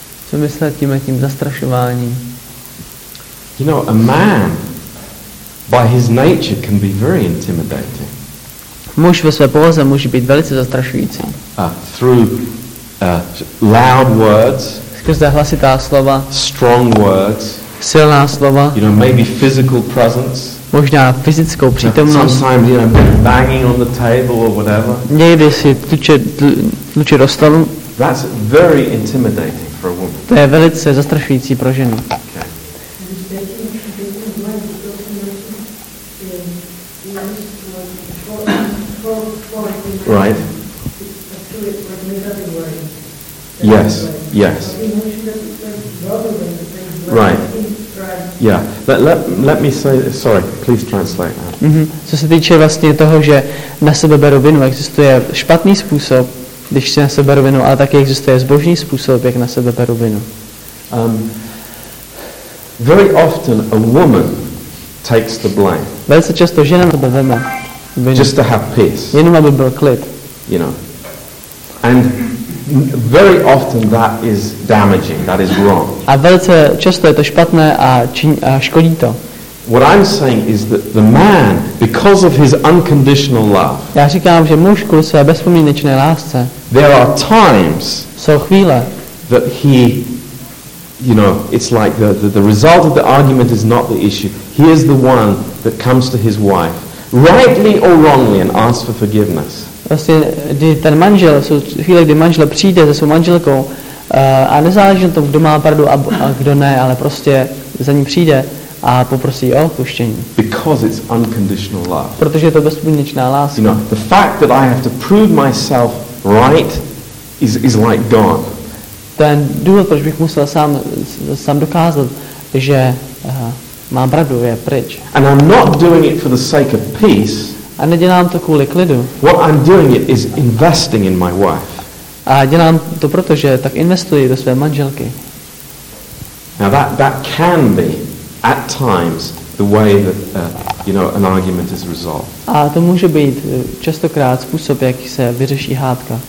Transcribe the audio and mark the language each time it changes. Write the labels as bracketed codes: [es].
[cs] Co myslel tím zastrašováním? [en] You know, a man by his nature can be very intimidating. [cs] Muž ve své povaze může být velice zastrašující. [en] Through loud words. [cs] Skrze hlasitá slova. [en] Strong words. [cs] Silná slova. [en] You know, maybe physical presence. [cs] Možná fyzickou přítomnost. [en] Sometimes, you know, banging on the table or whatever. [cs] Někdy si tluče do stolu. [en] That's very intimidating. For a woman. [cs] To je velice zastrašující pro ženu. [en] Okay. Right. Yes. Right. Yeah. Let me say. Sorry. Please translate that. Mm-hmm. [cs] Co se týče vlastně toho, že na sebe beru vinu, existuje špatný způsob. Když si na sebe rovinu, ale taky existuje zbožný způsob, jak na sebe beru vinu. [en] Very often a woman takes the blame. [cs] Velice často žena na sebe vezme vinu. [en] Just to have peace. [cs] Jenom aby byl klid. [en] You know. And very often that is damaging. That is wrong. [cs] A velice často je to špatné a škodí to. [en] What I'm saying is that the man, because of his unconditional love. [cs] Já říkám, že muž kvůli své bezpodmínečné lásce. [en] There are times. [cs] Jsou chvíle. [en] That he, you know, it's like the result of the argument is not the issue. He is the one that comes to his wife, rightly or wrongly, and asks for forgiveness. [cs] Vlastně, kdy ten manžel, jsou chvíle, kdy manžel přijde se svou manželkou, a nezáleží na tom, kdo má pravdu a kdo ne, ale prostě za ní přijde. A poprosí o odpuštění. [en] Because it's unconditional love. [cs] Protože je to bezpodmínečná láska. [en] You know, the fact that I have to prove myself right is like gone. [cs] Ten důvod, proč bych musel sám dokázat, že mám pravdu, je pryč. [en] And I'm not doing it for the sake of peace. [cs] A nedělám to kvůli klidu. [en] What I'm doing it is investing in my wife. [cs] A dělám to proto, že tak investuji do své manželky. [en] Now that can be at times the way that you know an argument is resolved. [cs] A to může být častokrát způsob, jak se vyřeší hádka.